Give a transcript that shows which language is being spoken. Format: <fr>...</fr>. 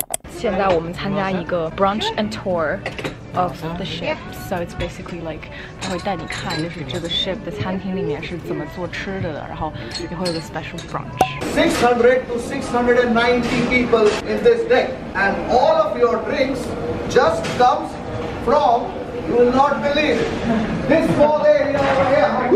<zh>现在我们参加一个</zh> <en>brunch and tour of the ship. So it's basically like,</en> <zh>他会带你看就是这个 ship 的餐厅里面是怎么做吃的的，然后也会有个 special brunch.</zh> <en>600 to 690 people in this deck. And all of your drinks just comes from, you will not believe, this small area over here.</en>